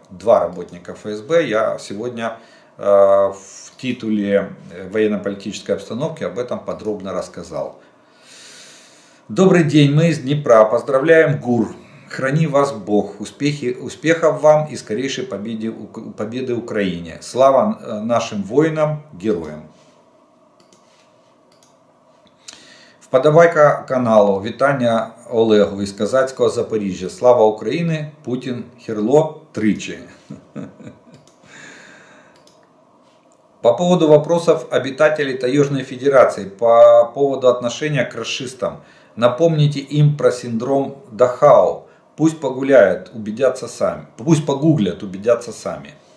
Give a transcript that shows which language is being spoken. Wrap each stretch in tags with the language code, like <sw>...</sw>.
<ru>Два работника ФСБ. Я сегодня в титуле военно-политической обстановки об этом подробно рассказал. Добрый день, мы из Днепра. Поздравляем ГУР. Храни вас Бог. Успехов вам и скорейшей победы Украине. Слава нашим воинам, героям.</ru> <uk>Подавай-ка каналу вітання Олегу із Козацького Запоріжжя. Слава Україні, Путін, Херло, тричі.</uk> <ru>По поводу вопросов обитателей Таёжной Федерации, по поводу отношения к расистам, напомните им про синдром Дахау. Пусть погуляют, убедятся сами. Пусть погуглят, убедятся сами.</ru>